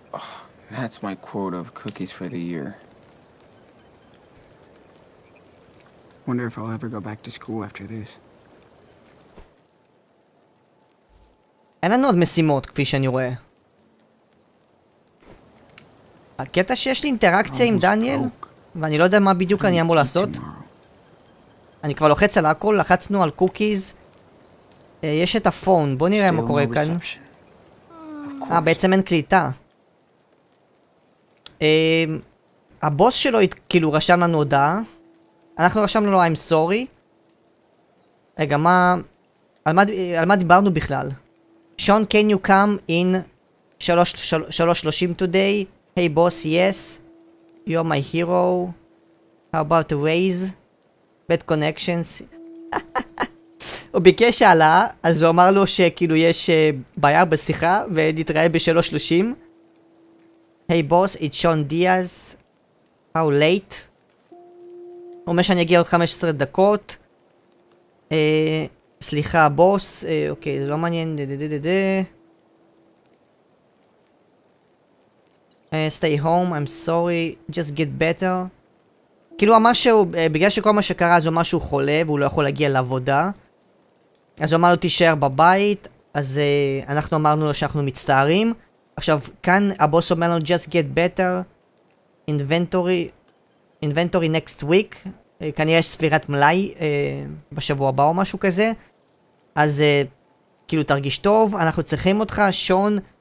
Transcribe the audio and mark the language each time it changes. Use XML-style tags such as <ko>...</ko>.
<en>That's my quota of cookies for the year. Wonder if I'll ever go back to school after this.</en> <he>אין לנו עוד משימות כפי שאני רואה. הקטע שיש לי אינטראקציה עם דניאל, ואני לא יודע מה בדיוק אני אמור לעשות. אני כבר לוחץ על הכל, לחצנו על קוקיס. יש את הפון, בוא נראה מה קורה כאן. בעצם אין קליטה. הבוס שלו, כאילו, רשם לנו הודעה. אנחנו רשמנו לו,</he> <en>I'm sorry.</en> <he>רגע, מה... על מה דיברנו בכלל?</he> <en>Sean, can you come in 3:30 today? Hey, boss, yes. You're my hero. How about Waze? Bad connections.</en> <he>הוא ביקש העלה, אז הוא אמר לו שכאילו יש בעיה בשיחה, ונתראה ב-3:30. היי בוס,</he> <en>it's Sean Diaz. How late?</en> <he>אומר שאני אגיע עוד 15 דקות. סליחה, בוס. אוקיי, זה לא מעניין.</he> <en>stay home, I'm sorry, just get better.</en> <he>כאילו אמר שהוא, בגלל שכל מה שקרה, אז הוא אמר שהוא חולה והוא לא יכול להגיע לעבודה. אז הוא אמר לו תישאר בבית, אז אנחנו אמרנו לו שאנחנו מצטערים. עכשיו, כאן הבוס אומר לנו</he> <en>just get better, inventory next week.</en> <he>כנראה יש ספירת מלאי בשבוע הבא או משהו כזה. אז כאילו תרגיש טוב, אנחנו צריכים אותך, שון.</he>